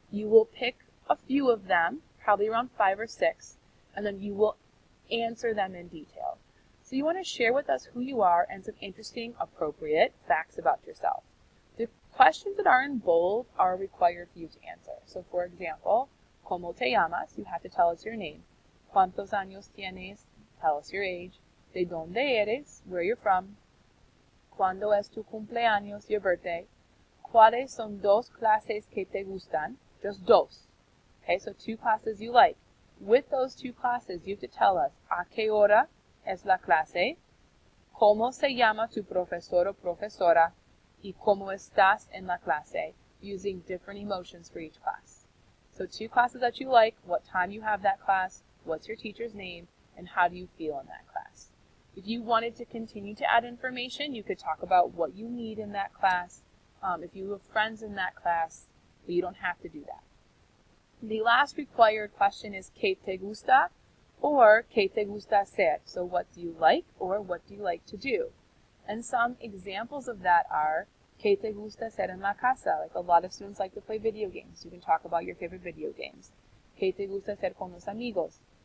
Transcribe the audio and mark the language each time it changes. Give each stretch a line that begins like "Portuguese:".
English: You will pick a few of them, probably around 5 or 6, and then you will answer them in detail. So you want to share with us who you are and some interesting, appropriate facts about yourself. The questions that are in bold are required for you to answer. So for example,
Spanish: ¿cómo te llamas?
English: You have to tell us your name.
Spanish: ¿Cuántos años tienes?
English: Tell us your age.
Spanish: ¿De dónde eres?
English: Where you're from.
Spanish: ¿Cuándo es tu cumpleaños?
English: Your birthday.
Spanish: ¿Cuáles son dos clases que te gustan?
English: Just dos. Okay, so two classes you like. With those two classes, you have to tell us
Spanish: a qué hora es la clase,
English: cómo se llama tu profesor o profesora, y cómo estás en la clase, using different emotions for each class. So two classes that you like, what time you have that class, what's your teacher's name, and how do you feel in that class. If you wanted to continue to add information, you could talk about what you need in that class, if you have friends in that class, but you don't have to do that. The last required question is
Spanish: ¿qué te gusta? Or ¿qué te gusta hacer?
English: So what do you like or what do you like to do? And some examples of that are
Spanish: ¿qué te gusta hacer en la casa?
English: Like a lot of students like to play video games. You can talk about your favorite video games.
Spanish: ¿Qué te gusta hacer con los amigos?